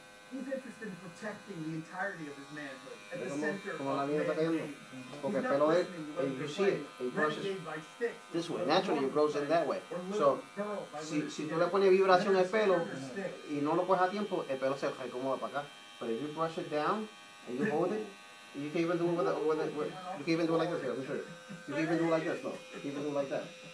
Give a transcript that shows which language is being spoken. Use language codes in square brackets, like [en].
[en] He's interested in protecting the entirety of his manhood at the center of the game. He's not listening to what by sticks. This way, naturally, you grow it that way. [es] So, si tú le pones vibración al pelo y no lo coges a tiempo, el pelo se acomoda para acá. [en] But if you brush it down and you hold it, you can even do it you can even do it like this. You can even do it like this, though. You can even do it like that.